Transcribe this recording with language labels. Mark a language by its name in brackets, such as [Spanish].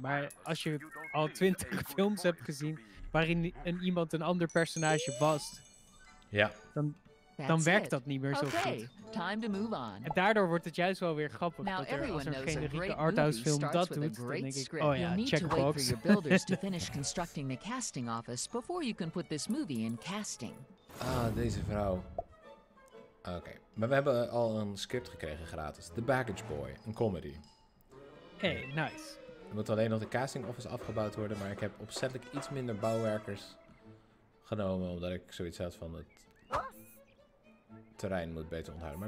[Dutch] Maar als je al 20 films hebt gezien waarin iemand een ander personage wast, ja, dan dan werkt dat niet meer zo goed. [English] Time to move on. [Dutch] En daardoor wordt het juist wel weer grappig. [English] Now, [Dutch] dat er, als er een generieke arthouse film dat doet, dan denk ik, oh ja, checkbox. [English] Your builders to finish constructing the casting office before you can put this movie in casting. [Dutch] Ah, deze vrouw. Oké, okay. Maar we hebben al een script gekregen gratis. The Baggage Boy, een comedy. [English] Hey, nice. [Dutch] Er moet alleen nog de casting office afgebouwd worden, maar ik heb opzettelijk iets minder bouwwerkers genomen, omdat ik zoiets had van het terrein moet beter onthouden.